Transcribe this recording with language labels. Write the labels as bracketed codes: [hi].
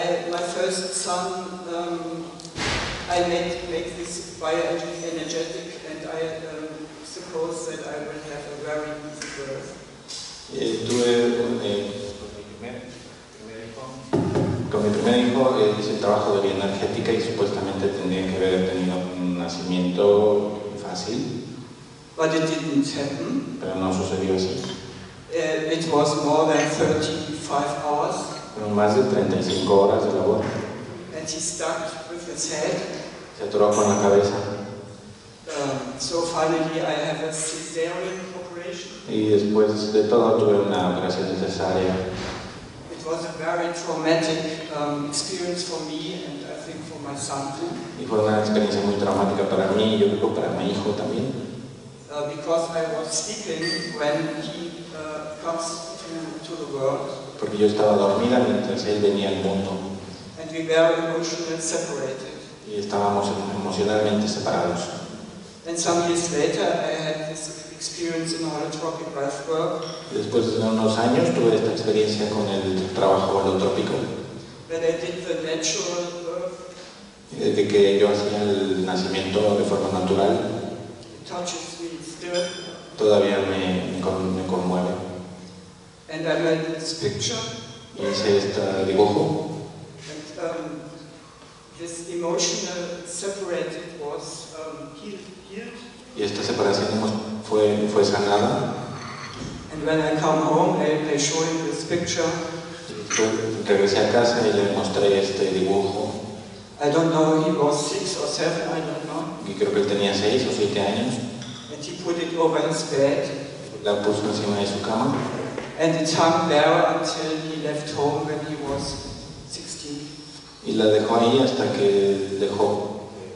[en] My first son, I make this bioenergetic, and I suppose that I will have a very easy birth. [es] Tuve con mi primer hijo hice el trabajo de bioenergética y supuestamente tendría que haber tenido un nacimiento fácil. [en] But it didn't happen. [es] Pero no sucedió así. [en] It was more than 35 hours. [es] Más de 35 horas de labor. [en] And he stuck with his head. [es] Se atoró con la cabeza. [en] So finally I have a cesarean operation. [es] Y después de todo tuve una operación cesárea. [en] It was a very traumatic experience for me and I think for my son too. [es] Y fue una experiencia muy traumática para mí y yo creo que para mi hijo también. [en] Because I was sleeping when he comes to the world. [es] Porque yo estaba dormida mientras él venía al mundo. [en] And we were emotionally separated. [es] Y estábamos emocionalmente separados. [en] And some years later, I had this experience in holotropic breathwork. [es] Después de unos años tuve esta experiencia con el trabajo holotrópico. [en] That I did the natural birth. [es] De que yo hacía el nacimiento de forma natural. [en] It touches me still. [es] Todavía me conmueve. [en] And I made this picture. [es] Y hice este dibujo. [en] And this emotional separated was healed. [es] Y esta separación fue sanada. [en] And when I come home, I show him this picture. [es] Después regresé a casa y le mostré este dibujo. [en] I don't know, he was 6 or 7, I don't know. [es] Y creo que él tenía 6 o 7 años. [en] And he put it over his bed. [es] La puso encima de su cama. [en] And it hung there until he left home when he was 16. [es] Y la dejó ahí hasta que dejó.